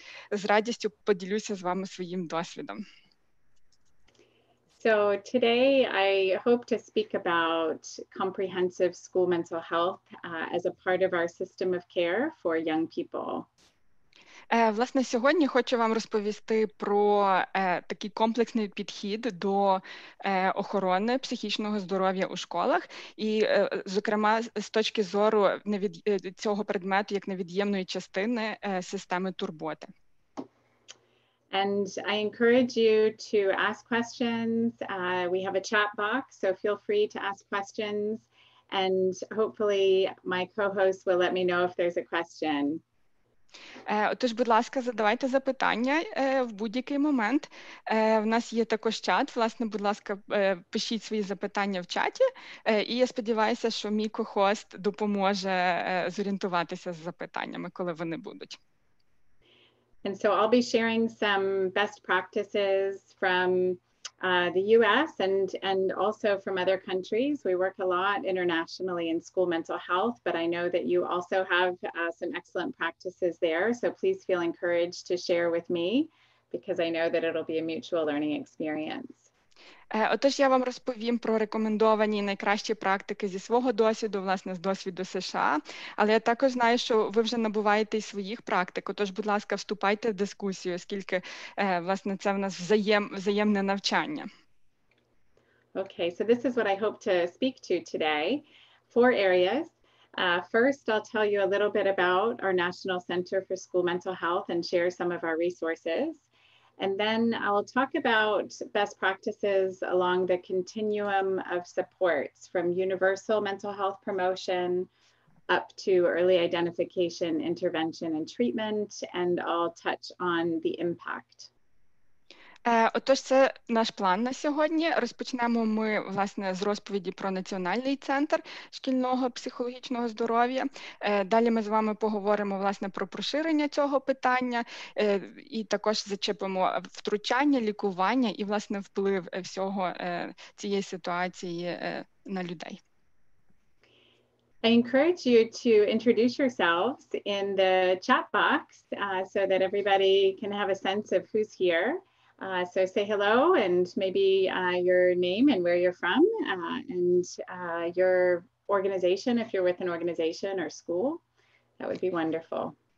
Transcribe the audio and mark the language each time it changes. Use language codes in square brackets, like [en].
[uk] З радістю поділюся з вами своїм досвідом. [en] So today I hope to speak about comprehensive school mental health as a part of our system of care for young people. [uk] Власне, сьогодні хочу вам розповісти про такий комплексний підхід до охорони психічного здоров'я у школах. І, зокрема, з точки зору цього предмету як невід'ємної частини системи турботи. [en] And I encourage you to ask questions. We have a chat box, so feel free to ask questions. And hopefully my co-host will let me know if there's a question. [uk] Тож, будь ласка, задавайте запитання в будь-який момент. В нас є також чат. Власне, будь ласка, пишіть свої запитання в чаті. І я сподіваюся, що мій co-host допоможе зорієнтуватися з запитаннями, коли вони будуть. [en] And so I'll be sharing some best practices from the US and also from other countries. We work a lot internationally in school mental health, but I know that you also have some excellent practices there. So please feel encouraged to share with me because I know that it'll be a mutual learning experience. [uk] Отож, я вам розповім про рекомендовані найкращі практики зі свого досвіду, власне, з досвіду США. Але я також знаю, що ви вже набуваєте і своїх практик. Отож, будь ласка, вступайте в дискусію, оскільки, власне, це в нас взаємне навчання. [en] Okay, so this is what I hope to speak to today. Four areas. First, I'll tell you a little bit about our National Center for School Mental Health and share some of our resources. And then I'll talk about best practices along the continuum of supports from universal mental health promotion up to early identification, intervention, and treatment. And I'll touch on the impact. [uk] Отож, це наш план на сьогодні. Розпочнемо ми, власне, з розповіді про Національний центр шкільного психологічного здоров'я. Далі ми з вами поговоримо, власне, про поширення цього питання і також зачепимо втручання, лікування і, власне, вплив всього цієї ситуації на людей. [en] I encourage you to introduce yourselves in the chat box so that everybody can have a sense of who's here. So say hello and maybe your name and where you're from and your organization, if you're with an organization or school, that would be wonderful.